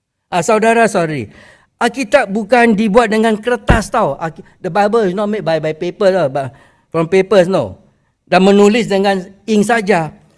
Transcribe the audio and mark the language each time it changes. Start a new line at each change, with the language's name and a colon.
Malay: Saudara-saudari, Alkitab bukan dibuat dengan kertas tau.
English: The Bible is not made by paper lah, from papers no.
Malay: Dan menulis dengan ink saja.